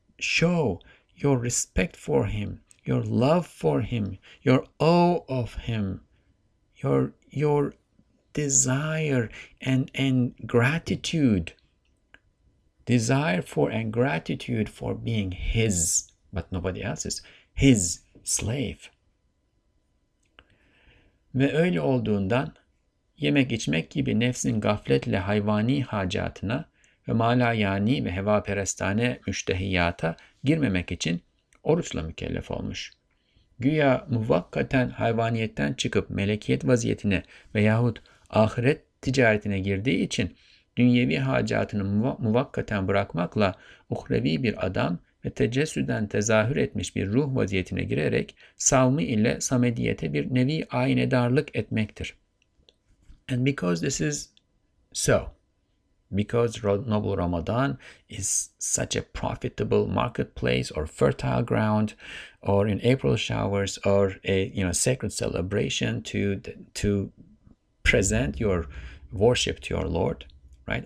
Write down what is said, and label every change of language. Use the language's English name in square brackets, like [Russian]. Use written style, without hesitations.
[English] show your respect for him, your love for him, your awe of him, your desire and gratitude, desire for and gratitude for being his, but nobody else's, his slave. [Turkish] Ve öyle olduğundan yemek içmek gibi nefsin gafletle hayvani hacatına ve malayani ve hevaperestane müştehiyata girmemek için oruçla mükellef olmuş. Güya muvakkaten hayvaniyetten çıkıp melekiyet vaziyetine veyahut ahiret ticaretine girdiği için dünyevi hacatını muvakkaten bırakmakla uhrevi bir adam ve tecessüden tezahür etmiş bir ruh vaziyetine girerek savmi ile samediyete bir nevi aynedarlık etmektir. [English] And because this is so, because Noble Ramadan is such a profitable marketplace or fertile ground, or in April showers, or a sacred celebration to present your worship to your Lord, right?